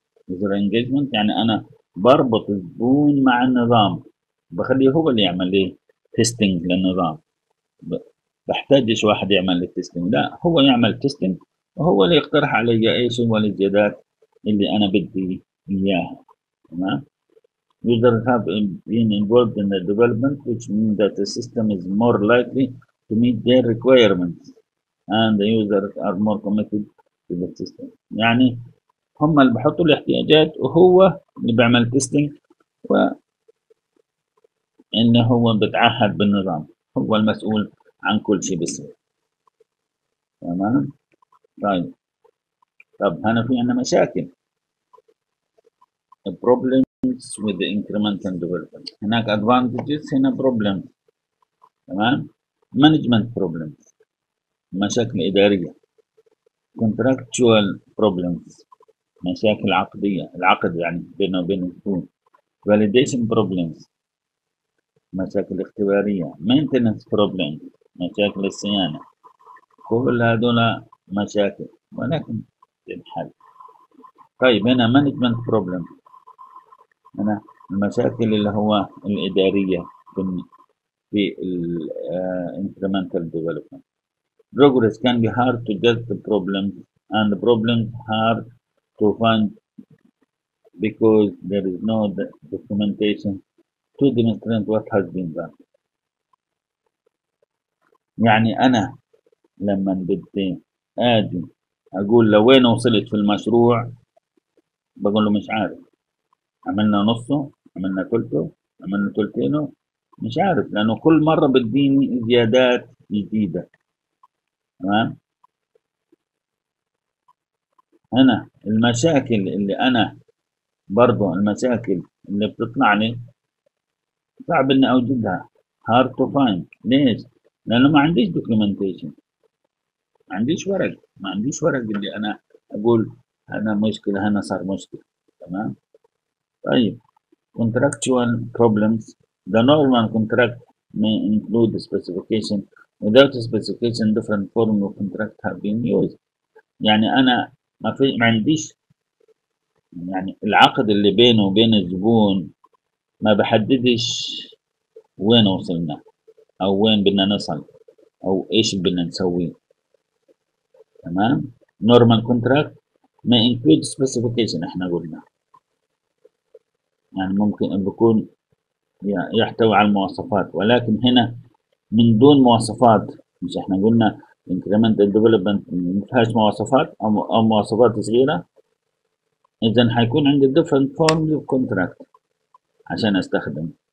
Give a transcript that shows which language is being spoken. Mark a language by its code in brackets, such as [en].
[ar] User engagement يعني انا بربط الزبون مع النظام، بخليه هو اللي يعمل لي تيستينج للنظام، بحتاجش واحد يعمل لي تيستينج، لا هو يعمل تيستينج وهو اللي يقترح علي ايش هو الزيادات اللي انا بدي اياها. تمام. [en] User have been involved in the development which means that the system is more likely to meet their requirements and the users are more committed to the system. [ar] يعني هم اللي بحطوا الاحتياجات وهو اللي بيعمل تيستينج، و انه هو بتعهد بالنظام، هو المسؤول عن كل شيء بيصير. تمام. طيب هنا في عندنا مشاكل، [en] problems with the increment and development. [ar] هناك advantages، هنا problems. تمام. management problems، مشاكل اداريه. contractual problems، مشاكل عقديه، العقد يعني بينه وبين الزبون. validation problems، مشاكل اختبارية. maintenance problems، مشاكل الصيانة. كل هذول مشاكل ولكن تنحل. طيب هنا management problems، هنا المشاكل اللي هو الإدارية في الـ incremental development. [en] progress can be hard to get the problems and the problems hard to find because there is no documentation to demonstrate what has been done. [ar] يعني انا لما بدي ادي اقول لوين وصلت في المشروع، بقول له مش عارف، عملنا نصه، عملنا ثلثه، عملنا ثلثينه، مش عارف، لانه كل مره بديني زيادات جديده. تمام، هنا المشاكل اللي انا برضو، المشاكل اللي بتطلع لي صعب اني اوجدها، [en] Hard to find. [ar] ليش؟ لانه ما عنديش دوكيومنتيشن، ما عنديش ورق، ما عنديش ورق اللي انا اقول انا مشكله، هنا صار مشكله. تمام، طيب contractual problems. [en] The normal contract may include specification. Without specification, different form of contract have been used. [ar] يعني أنا ما في، ما عنديش يعني العقد اللي بينه وبين الزبون ما بحددش وين وصلنا أو وين بدنا نصل أو إيش بدنا نسوي. تمام؟ [en] normal contract may include specification، [ar] إحنا قلنا يعني ممكن بكون يحتوي على المواصفات، ولكن هنا من دون مواصفات، مش احنا قلنا incremental development ما فيهاش مواصفات او مواصفات صغيره، اذا حيكون عندي [en] different forms of contract [ar] عشان استخدم.